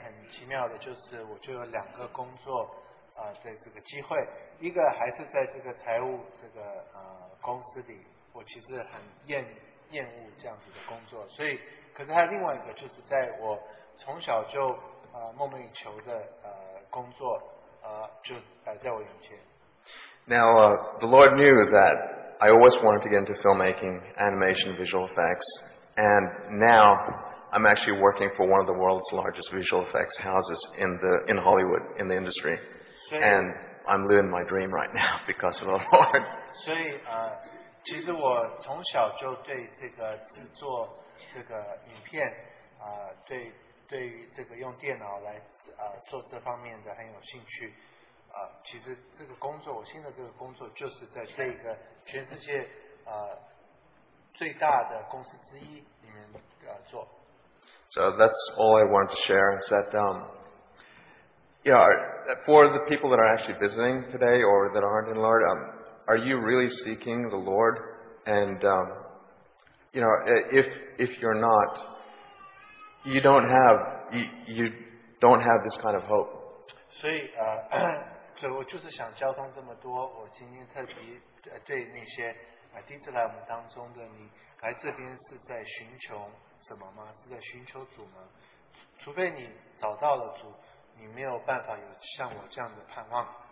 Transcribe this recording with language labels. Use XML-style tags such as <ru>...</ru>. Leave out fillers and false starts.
<zh>所以在三个礼拜内很奇妙的就是我就有两个工作。对这个机会，一个还是在这个财务这个公司里，我其实很厌恶这样子的工作，所以，可是还有另外一个，就是在我从小就梦寐以求的工作，就摆在我眼前。Now</zh> <en>the Lord knew that I always wanted to get into filmmaking, animation, visual effects, and now I'm actually working for one of the world's largest visual effects houses in Hollywood in the industry. And I'm living my dream right now because of the Lord.</en> <zh>所以其实我从小就对这个制作这个影片，对这个用电脑来做这方面的很有兴趣。其实这个工作，我现在这个工作就是在这个全世界最大的公司之一里面做。</zh> <en>So that's all I wanted to share. Is that for the people that are actually visiting today or that aren't in the Lord, are you really seeking the Lord? And if you're not, you don't have this kind of hope.</en> <zh>所以所以我就是想交通这么多，我今天特别对那些第一次来我们当中的你来这边是在寻求什么吗？是在寻求主吗？除非你找到了主，你没有办法有像我这样的盼望。</zh>